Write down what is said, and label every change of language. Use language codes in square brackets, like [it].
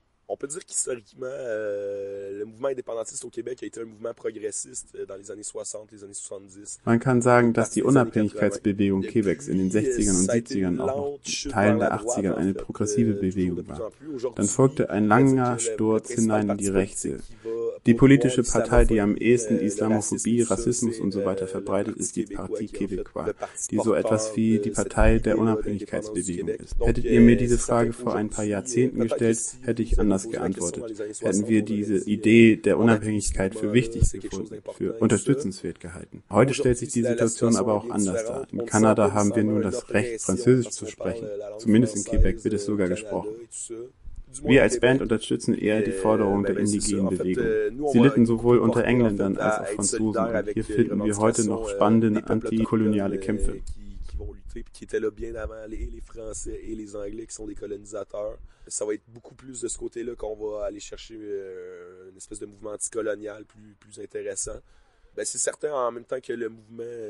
[fr] On peut dire qu'historiquement, le mouvement indépendantiste au Québec a été un mouvement progressiste dans les années 60, les années 70. [de] Man kann sagen, dass die Unabhängigkeitsbewegung Quebecs in den 60ern und 70ern, auch noch Teilen der 80ern, eine progressive Bewegung war. Dann folgte ein langer Sturz hinein in die Rechte. Die politische Partei, die am ehesten Islamophobie, Rassismus und so weiter verbreitet, ist die Parti Québécois, die so etwas wie die Partei der Unabhängigkeitsbewegung ist. Hättet ihr mir diese Frage vor ein paar Jahrzehnten gestellt, hätte ich anders anders geantwortet, hätten wir diese Idee der Unabhängigkeit für wichtig gefunden, für unterstützenswert gehalten. Heute stellt sich die Situation aber auch anders dar. In Kanada haben wir nun das Recht, Französisch zu sprechen. Zumindest in Quebec wird es sogar gesprochen. Wir als Band unterstützen eher die Forderung der indigenen Bewegung. Sie litten sowohl unter Engländern als auch Franzosen. Und hier finden wir heute noch spannende antikoloniale Kämpfe. [fr] Qui était là bien avant les Français et les Anglais qui sont des colonisateurs. Ça va être beaucoup plus de ce côté-là qu'on va aller chercher une espèce de mouvement anticolonial plus intéressant. Ben, c'est certain en même temps que le mouvement...